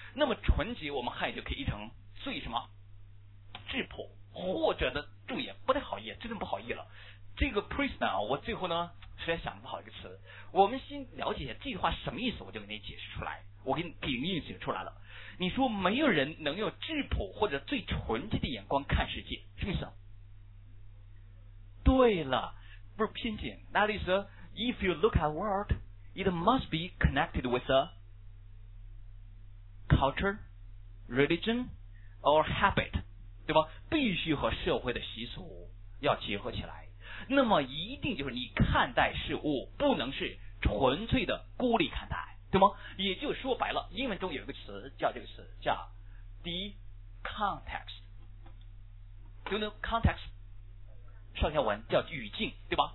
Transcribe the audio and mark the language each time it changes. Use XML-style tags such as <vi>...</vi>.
<zh>那么纯洁我们汉语就可以译成最什么质朴，或者呢注意不太好译，真的不好译了。这个 pristine 啊，我最后呢实在想不好一个词。我们先了解一下这句话什么意思，我就给你解释出来，我给你给你解释出来了。你说没有人能用质朴或者最纯洁的眼光看世界，什么意思？对了，不是偏见。</zh> <en>That is if you look at worldIt must be connected with a culture, religion, or habit，</en> <zh>对吧？必须和社会的习俗要结合起来。那么一定就是你看待事物不能是纯粹的孤立看待，对吗？也就是说白了，英文中有一个词叫这个词叫 decontext， 就那 context 上下文叫语境，对吧？</zh>